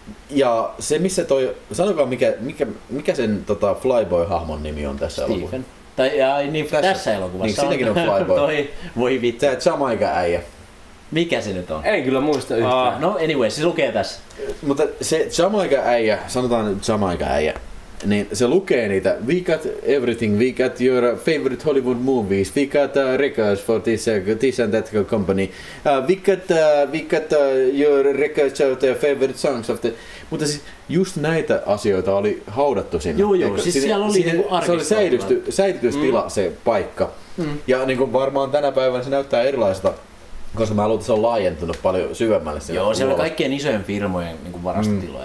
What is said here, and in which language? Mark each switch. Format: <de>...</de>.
<fi>Ja se missä toi, sanokaa mikä sen tota Flyboy-hahmon nimi on tässä Stephen. Elokuvassa. Tai ai, niin, tässä elokuvassa niin, on. Niin, sinäkin on Flyboy. Toi, voi vittu. Tää Jamaica äijä. Mikä se nyt on? En kyllä muista yhtään.</fi> <en>No anyway,</en> <fi>se lukee tässä. Mutta se Jamaica-äijä, sanotaan Jamaica-äijä, niin se lukee niitä.</fi> <en>We got everything, we got your favorite Hollywood movies, we got records for this and that company. We got your records of the favorite songs of the...</en> <fi>Mutta siis just näitä asioita oli haudattu sinne. Joo, siis sinne, siellä oli niinku arkistoa. Se oli säilytystila se paikka. Ja niinku varmaan tänä päivänä se näyttää erilaiselta. koska mä luulen, että se on laajentunut paljon syvemmälle sinne. Joo, siellä on kaikkien isojen firmojen niin varastotiloja.</fi>